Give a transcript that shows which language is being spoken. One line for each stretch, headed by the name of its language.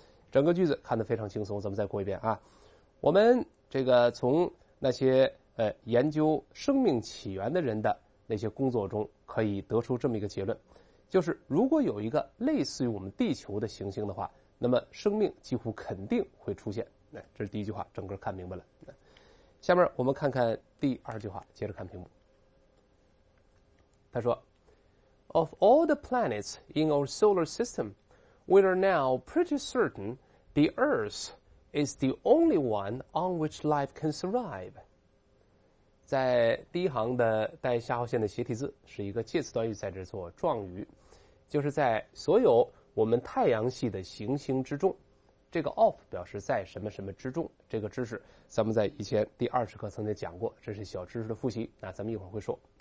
Chinese: 整个句子看得非常轻松，咱们再过一遍啊。我们这个从那些研究生命起源的人的那些工作中，可以得出这么一个结论，就是如果有一个类似于我们地球的行星的话，那么生命几乎肯定会出现。这是第一句话，整个看明白了。下面我们看看第二句话，接着看屏幕。他说
English: Of all the planets in our solar system, we are now pretty certain the Earth is the only one on which life can survive.
Chinese: 在第一行的带下划线的斜体字是一个介词短语，在这做状语，就是在所有我们太阳系的行星之中，这个 of 表示在什么什么之中，这个知识咱们在以前第20课曾经讲过，这是小知识的复习，那咱们一会儿会说。